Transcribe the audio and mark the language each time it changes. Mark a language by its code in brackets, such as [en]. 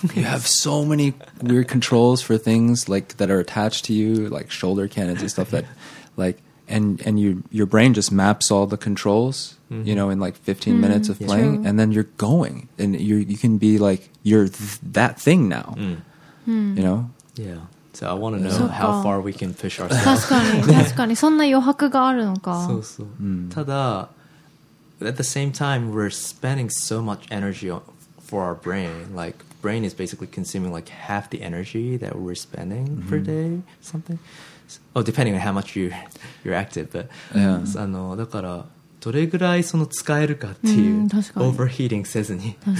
[en] You have so many weird controls for things like that are attached to you, like shoulder cannons and stuff that like, and your brain just maps all the controls, mm-hmm. you know, in like 15 mm-hmm. minutes of yeah. playing True. And then you're going and you can be like, you're that thing now, mm. you know? Yeah. So I want to know how far we can push ourselves. [ja] 確かに、そんな余白があるのか。そうそう。 [en] ただ、at the same time, we're spending so much energy for our brain. Like, brain is basically consuming like half the energy that we're spending mm-hmm. per day, something. Oh, depending on how much you're active. But yeah. [ja] あの、だから、どれぐらいその使えるかっていう、overheating せずに。